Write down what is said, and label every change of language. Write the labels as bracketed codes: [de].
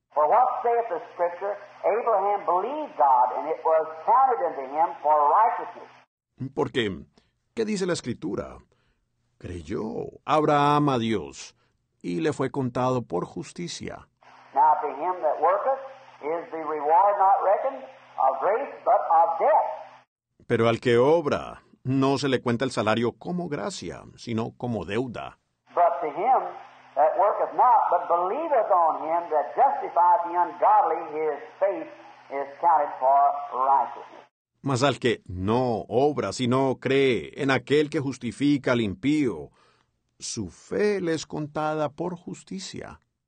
[en] For what saith the scripture, Abraham believed God, and it was counted unto him for righteousness. [es] Porque, ¿qué dice la Escritura? Creyó Abraham a Dios, y le fue contado por justicia. [en] Now to him that worketh is the reward not reckoned of grace, but of debt. [es] Pero al que obra, no se le cuenta el salario como gracia, sino como deuda. [en] But to him that worketh not, but believeth on him that justifies the ungodly, his faith is counted for righteousness. [es] Mas al que no obra, sino cree en aquel que justifica al impío, su fe le es contada por justicia.